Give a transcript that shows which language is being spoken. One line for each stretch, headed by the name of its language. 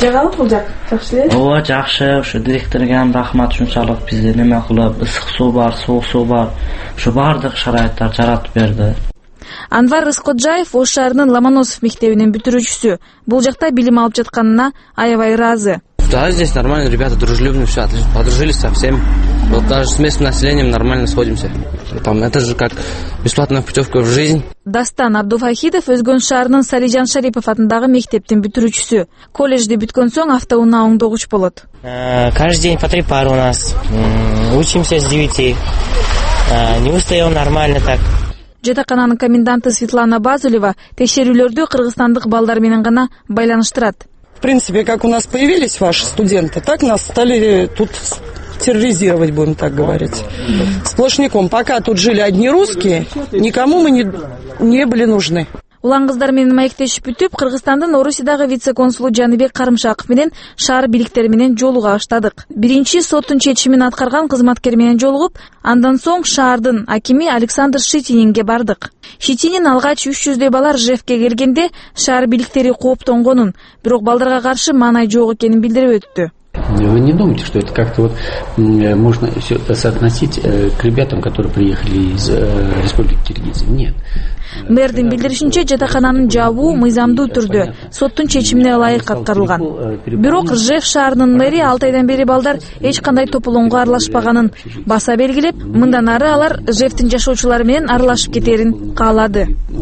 Kyrgyz: Жагалы бул жак жакшы эле? Ооба, жакшы. Ушу директорго рахмат, ушунчалык бизди неме кылып, ысык суу бар, суук суу бар, ушу баардык шарайыттар жаратып берди. Анвар Рыскоджаев Ош шаарынын Ломоносов мектебинин бүтүрүүчүсү. Бул жакта билим алып жатканына аябай ыраазы.
Russian: Да, здесь нормально, ребята дружелюбные, все отлично, подружились со всеми. Вот даже с местным населением нормально сходимся. Там это же как бесплатная путевка в жизнь.
Kyrgyz: Дастан Абдуфахидов Өзгөн шаарынын Салижан Шарипов атындагы мектептин бүтүрүүчүсү. Колледжди бүткөн соң автоунаа болот.
Russian: Каждый день по 3 пары у нас. Учимся с 9. Не устаем нормально так.
Kyrgyz: Жатакананын коменданты Светлана Базулева текшерүүлөрдү кыргызстандык балдар менен гана байланыштырат.
Russian: В принципе, как у нас появились ваши студенты, так нас стали тут терроризировать, будем так говорить, сплошняком. Пока тут жили одни русские, никому мы не были нужны.
Kyrgyz: Улан кыздар менен маектешип бүтүп, Кыргызстандын Орусиядагы вице-консулу Жаныбек Карымшаков менен шаар бийликтери менен жолуга баштадык. Биринчи соттун чечимин аткарган кызматкер менен жолугуп, андан соң шаардын акими Александр Шитининге бардык. Шитинин алгач 300 бала Ржевке келгенде шаар бийликтери кооптонгонун, бирок балдарга каршы маанай жок экенин билдирип өттү.
Russian: Вы не думаете, что это как-то вот можно все соотносить к ребятам, которые приехали из Республики Киргизия? Нет.
Kyrgyz: Мэрдин билдиришинче жатакананын жабуу мыйзамдуу түрдө соттун чечимине ылайык аткарылган. Бирок РЖФ шаарынын мэри 6 айдан бери балдар эч кандай тополонго аралашпаганын баса белгилеп, мындан ары алар РЖФтин жашоочулары менен аралашып кетерин каалады.